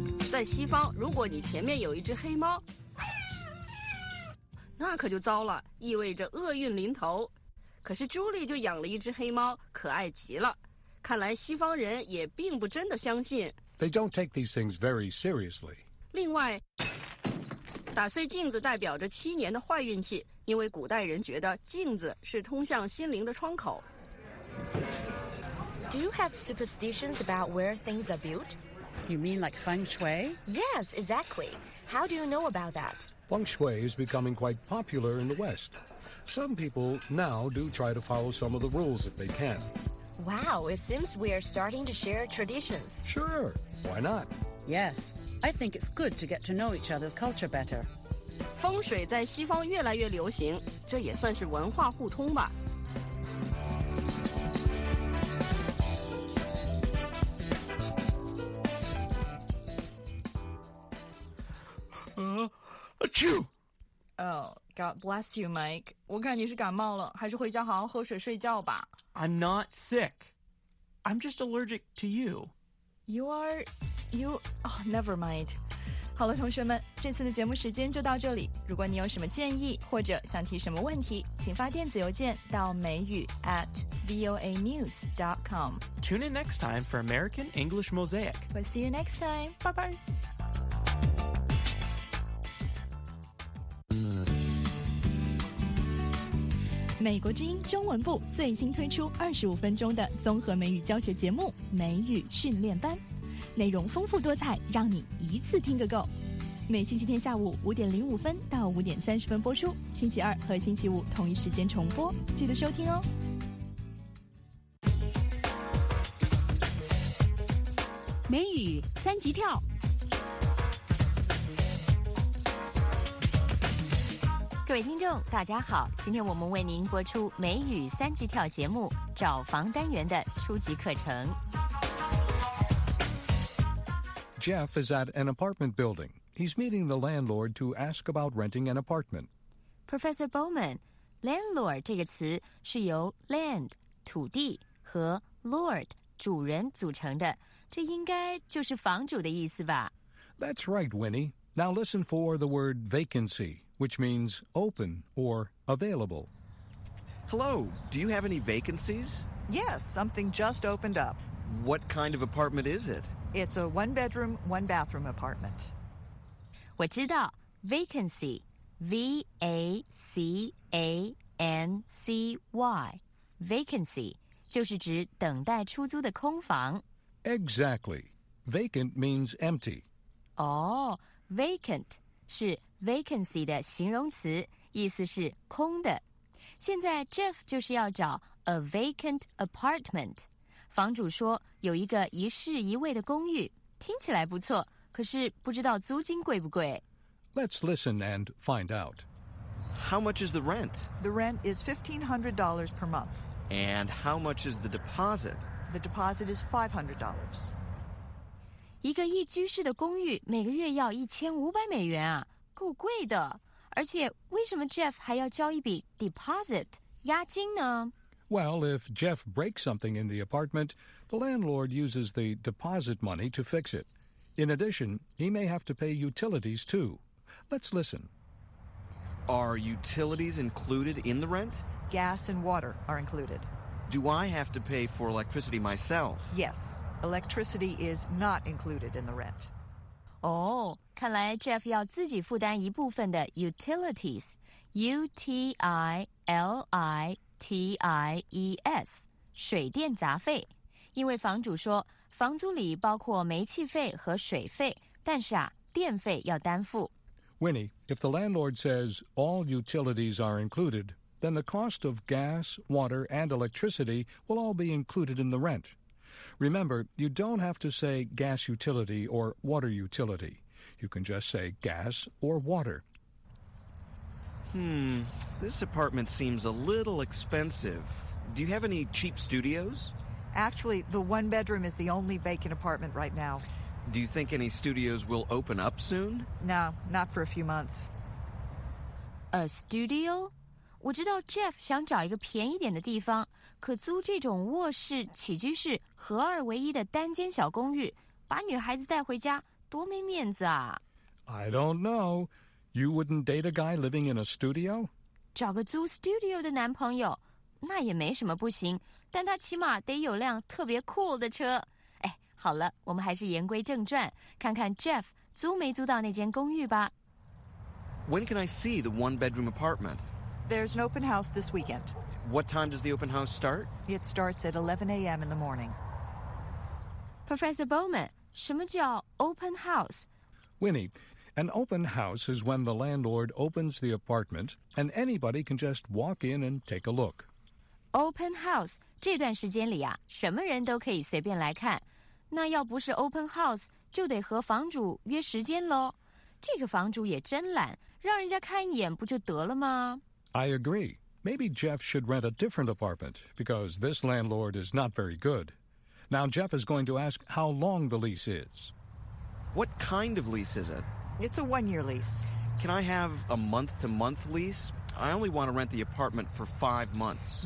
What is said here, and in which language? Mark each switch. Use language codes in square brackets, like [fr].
[zh] 在西方，如果你前面有一只黑猫，那可就糟了，意味着厄运临头。可是朱莉就养了一只黑猫，可爱极了。看来西方人也并不真的相信。 [en] They don't take these things very seriously. [zh] 另外。打碎镜子代表着7年的坏运气，因为古代人觉得镜子是通向心灵的窗口。 [en] Do you have superstitions about where things are built? You mean like feng shui? Yes, exactly. How do you know about that? Feng shui is becoming quite popular in the West. Some people now do try to follow some of the rules if they can. Wow, it seems we are starting to share traditions. Sure, why not? Yes. I think it's good to get to know each other's culture better. [zh] 风水在西方越来越流行，这也算是文化互通吧。 Achoo! [en] Oh, God bless you, Mike. [zh] 我看你是感冒了，还是回家好好喝水睡觉吧。 [en] I'm not sick. I'm just allergic to you. You are... You, oh, never mind. [zh] 好了，同学们，这次的节目时间就到这里。如果你有什么建议或者想提什么问题，请发电子邮件到美语 @voanews.com. [en] Tune in next time for American English Mosaic. We'll see you next time. Bye bye. [zh] 美国之音中文部最新推出25分钟的综合美语教学节目《美语训练班》。内容丰富多彩，让你一次听个够。每星期天下午5:05到5:30播出，星期二和星期五同一时间重播，记得收听哦。美语三级跳。各位听众大家好，今天我们为您播出美语三级跳节目找房单元的初级课程。 [en] Jeff is at an apartment building. He's meeting the landlord to ask about renting an apartment. [zh] Professor Bowman, landlord 这个词是由 land, 土地和 lord, 主人组成的。这应该就是房主的意思吧。 [en] That's right, Winnie. Now listen for the word vacancy, which means open or available. Hello, do you have any vacancies? Yes, something just opened up. What kind of apartment is it? It's a one-bedroom, one-bathroom apartment. [zh] 我知道 vacancy, V-A-C-A-N-C-Y, vacancy, 就是指等待出租的空房。 [en] Exactly. Vacant means empty. [zh] Oh, vacant 是 vacancy 的形容词，意思是空的。现在 Jeff 就是要找 [en] a vacant apartment. [zh] 房主说有一个一室一卫的公寓，听起来不错，可是不知道租金贵不贵。 [en] Let's listen and find out. How much is the rent? The rent is $1,500 per month. And how much is the deposit? The deposit is $500. [zh] 一个一居室的公寓每个月要$1,500啊，够贵的。而且为什么 Jeff 还要交一笔 deposit, 押金呢？ [en] Well, if Jeff breaks something in the apartment, the landlord uses the deposit money to fix it. In addition, he may have to pay utilities, too. Let's listen. Are utilities included in the rent? Gas and water are included. Do I have to pay for electricity myself? Yes. Electricity is not included in the rent. [zh] Oh, 看来 Jeff 要自己负担一部分的 utilities. U-T-I-L-I-T-I-E-S 水电杂费，因为房主说房租里包括煤气费和水费，但是啊，电费要担负。 [en] Winnie, if the landlord says all utilities are included, then the cost of gas, water, and electricity will all be included in the rent. Remember, you don't have to say gas utility or water utility. You can just say gas or water. This apartment seems a little expensive. Do you have any cheap studios? Actually, the one bedroom is the only vacant apartment right now. Do you think any studios will open up soon? No, not for a few months. A studio? [zh] 我知道 Jeff 想找一个便宜点的地方，可租这种卧室、起居室合二为一的单间小公寓，把女孩子带回家，多没面子啊。 [en] I don't know. You wouldn't date a guy living in a studio? [zh] 找个租 studio 的男朋友，那也没什么不行，但他起码得有辆特别 cool 的车。哎，好了，我们还是言归正传，看看 Jeff 租没租到那间公寓吧。 [en] When can I see the one-bedroom apartment? There's an open house this weekend. What time does the open house start? It starts at 11 a.m. in the morning. [zh] Professor Bowman, 什么叫 open house? [en] Winnie... An open house is when the landlord opens the apartment and anybody can just walk in and take a look. [zh] Open house, 这段时间里啊，什么人都可以随便来看。那要不是 open house, 就得和房主约时间咯。这个房主也真懒，让人家看一眼不就得了吗？ [en] I agree. Maybe Jeff should rent a different apartment because this landlord is not very good. Now Jeff is going to ask how long the lease is. What kind of lease is it? It's a one-year lease. Can I have a month-to-month lease? I only want to rent the apartment for 5 months.